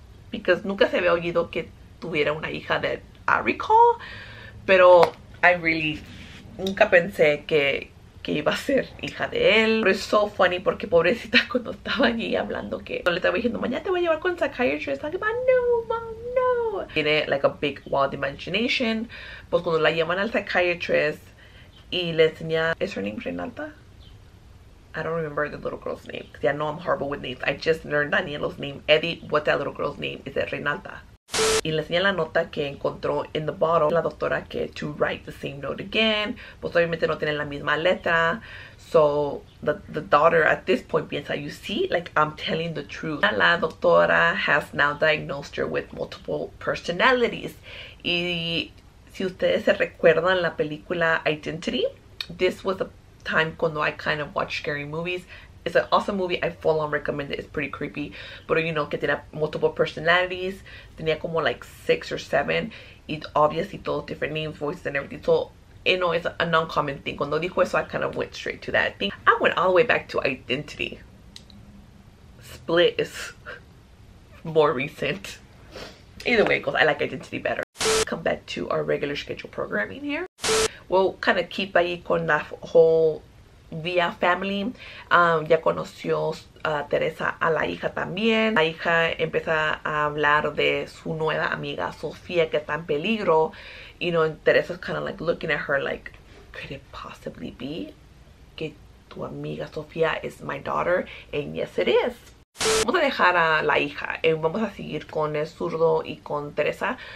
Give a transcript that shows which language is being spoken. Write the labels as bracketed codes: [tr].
[en] Because [es] nunca se había oído que tuviera una hija de [en] I recall, [es] pero [en] I really [es] nunca pensé que iba a ser hija de él. Pero es [en] so funny [es] porque pobrecita cuando estaba allí hablando que no le estaba diciendo mañana te voy a llevar con psychiatrist. [en] Like, mom, no, mom, no. [es] Tiene [en] like a big wild imagination. [es] Pues cuando la llaman al psychiatrist y le enseña. ¿Es [en] her name Renata? I don't remember the little girl's name. See, I know I'm horrible with names. I just learned Daniela's name. Eddie, what's that little girl's name? Is it Renata? [es] Y le enseña la nota que encontró en [en] the bottle [es] la doctora que [en] to write the same note again. [es] Pues obviamente no tienen la misma letra. [en] So the daughter at this point [es] piensa, [en] you see, like I'm telling the truth. [es] La doctora [en] has now diagnosed her with multiple personalities. [es] Y si ustedes se recuerdan la película [en] Identity, this was a time [es] cuando [en] I kind of watched scary movies. It's an awesome movie. I full on recommend it. It's pretty creepy. But you know, [es] que tenía [en] multiple personalities. [es] Tenía como [en] like 6 or 7. It obviously [es] todos [en] different names, voices, and everything. So, you know, it's a non-common thing. [es] Cuando dijo eso, [en] I kind of went straight to that thing. I went all the way back to Identity. Split is more recent. Either way, because I like Identity better. Come back to our regular schedule programming here. We'll kind of keep [es] ahí con la [en] whole Via family. [es] Ya conoció a Teresa, a la hija también. La hija empieza a hablar de su nueva amiga Sofía que está en peligro. [en] You know, Teresa is kind of like looking at her like, could it possibly be [es] que tu amiga Sofía [en] is my daughter? And yes it is. [es] Vamos a dejar a la hija y vamos a seguir con El Zurdo y con Teresa.